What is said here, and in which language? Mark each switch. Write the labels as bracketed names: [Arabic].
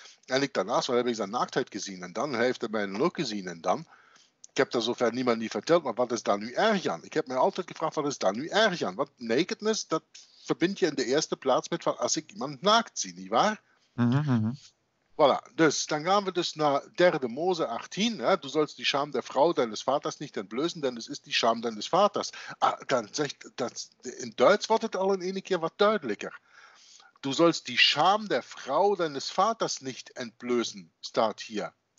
[Dutch] En ik daarnaast, wat heb ik zijn naaktheid gezien? En dan heeft hij mij ook gezien. En dan, ik heb daar zover niemand niet verteld, maar wat is daar nu erg aan? Ik heb mij altijd gevraagd, wat is daar nu erg aan? Want nakedness, dat verbind je in de eerste plaats met van als ik iemand naakt zie, nietwaar? Voilà, dus dan gaan we dus naar 3. Mose 18. [German] Ja, du sollst die Scham der Frau deines Vaters nicht entblößen, denn es ist die Scham deines Vaters. [Dutch] Ah, dann zegt das, [German] in Deutsch wird es [Dutch] al een keer wat duidelijker. [German] Du sollst die Scham der Frau deines Vaters nicht entblößen, [Dutch] staat hier.